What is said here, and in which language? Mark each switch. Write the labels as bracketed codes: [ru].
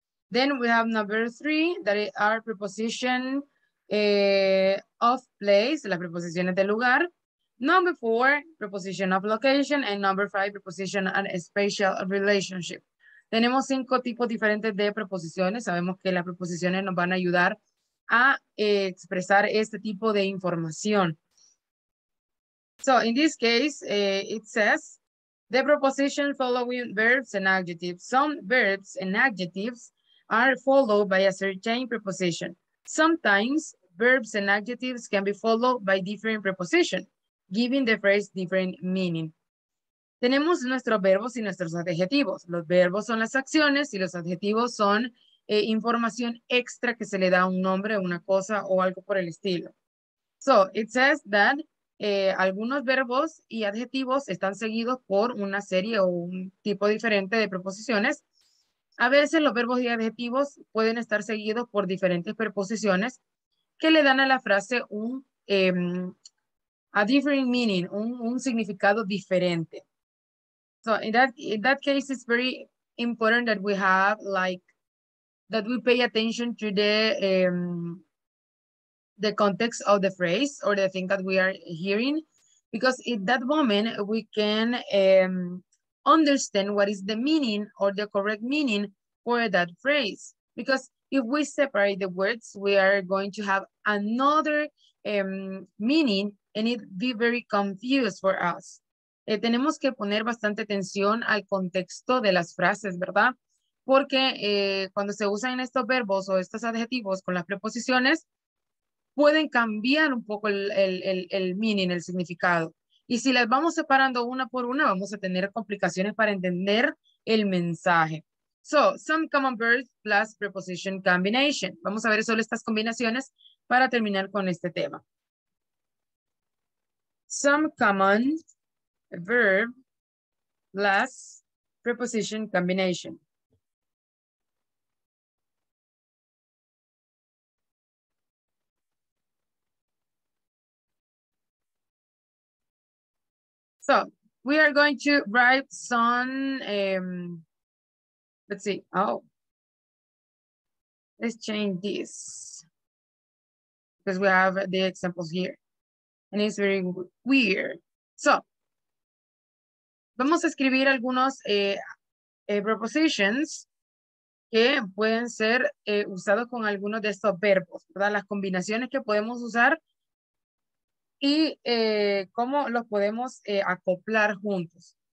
[en] Then we have number three, that is our preposition of place, [es] la preposición es de lugar. [en] Number four, preposition of location. And number five, preposition and spatial relationship. [es] Tenemos cinco tipos diferentes de preposiciones. Sabemos que las preposiciones nos van a ayudar a expresar este tipo de información. [en] So in this case, it says the preposition following verbs and adjectives. Some verbs and adjectives are followed by a certain preposition. Sometimes verbs and adjectives can be followed by different preposition, giving the phrase different meaning. [es] Tenemos nuestros verbos y nuestros adjetivos. Los verbos son las acciones y los adjetivos son información extra que se le da a un nombre, una cosa o algo por el estilo. [en] So it says that [es] algunos verbos y adjetivos están seguidos por una serie o un tipo diferente de preposiciones. A veces los verbos y adjetivos pueden estar seguidos por diferentes preposiciones que le dan a la frase un [en] a different meaning, [es] un significado diferente. [en] So in that case, it's very important that we have like that we pay attention to the context of the phrase or the thing that we are hearing, because in that moment we can understand what is the meaning or the correct meaning for that phrase. Because if we separate the words, we are going to have another meaning and it be very confused for us. [es] Tenemos que poner bastante atención al contexto de las frases, ¿verdad? Porque cuando se usan estos verbos o estos adjetivos con las preposiciones, pueden cambiar un poco el meaning, el significado. Y si las vamos separando una por una, vamos a tener complicaciones para entender el mensaje. [en] So, some common verbs plus preposition combination. [es] Vamos a ver solo estas combinaciones para terminar con este tema. [en] Some common verb plus preposition combination. So we are going to write some, let's see, oh, let's change this because we have the examples here and it's very weird. [es] So vamos a escribir algunos prepositions que pueden ser usados con algunos de estos verbos, ¿verdad? Las combinaciones que podemos usar y cómo los podemos acoplar juntos.